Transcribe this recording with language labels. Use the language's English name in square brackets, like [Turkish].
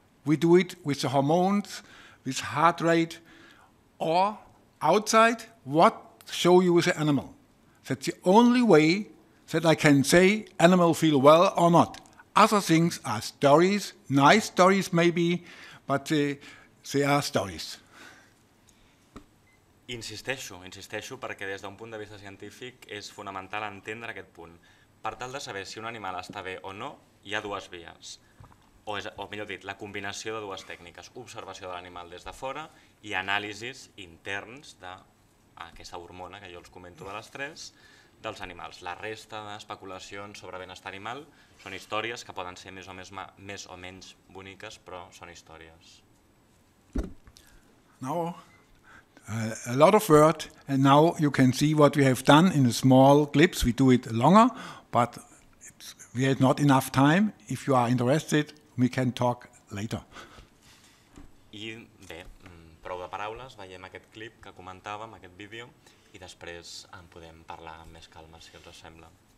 [English] We do it with the hormones, with heart rate, or outside, what show you the animal. That's the only way that I can say animal feel well or not. Other things are stories, nice stories maybe, but they are stories. [Catalan] Insisteixo, perquè des d'un punt de vista científic és fonamental entendre aquest punt. Per tal de saber si un animal està bé o no, hi ha dues vies. O millor dit, la combinació de dues tècniques, observació de l'animal des de fora i anàlisis interns d'aquesta hormona que jo els comento de l'estrès dels animals. La resta d'especulacions sobre benestar animal són històries que poden ser més o menys boniques, però són històries. [English] No. A lot of work, and now you can see what we have done in a small clips. We do it longer, but we had not enough time. If you are interested, we can talk later. [Catalan] I bé, prou de paraules, veiem aquest clip que comentàvem, aquest vídeo, i després en podem parlar amb més calma, si els sembla.